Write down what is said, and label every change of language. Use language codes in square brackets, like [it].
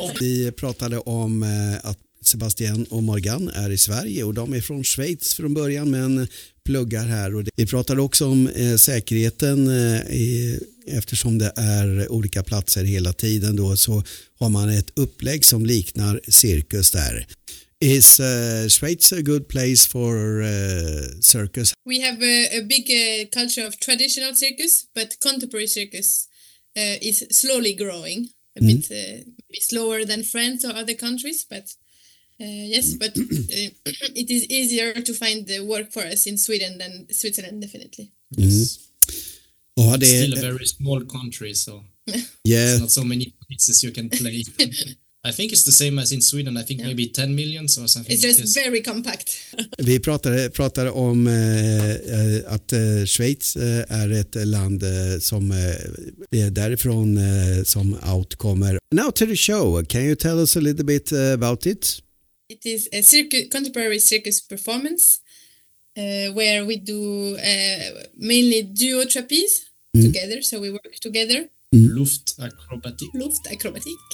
[sv] Vi pratade om att Sebastian och Morgan är i Sverige, och de är från Schweiz från början men pluggar här. Och vi pratade också om säkerheten eftersom det är olika platser hela tiden då, så har man ett upplägg som liknar cirkus där. [en] Is Schweiz a good place for circus? We have a big culture of traditional circus, but contemporary circus is slowly growing, a bit slower than France or other countries, but yes, but it is easier to find the work for us in Sweden than Switzerland, definitely. Yes. Mm. It's still a very small country, so yeah, it's not so many places you can play. I think it's the same as in Sweden. I think maybe 10 million or something. It's just very compact. [sv] Vi pratade om att Schweiz är ett land som är därifrån som Out kommer. [en] Now to the show. Can you tell us a little bit about it? It is a contemporary circus performance where we do mainly duo trapeze together. So we work together. Mm. Luft acrobatic.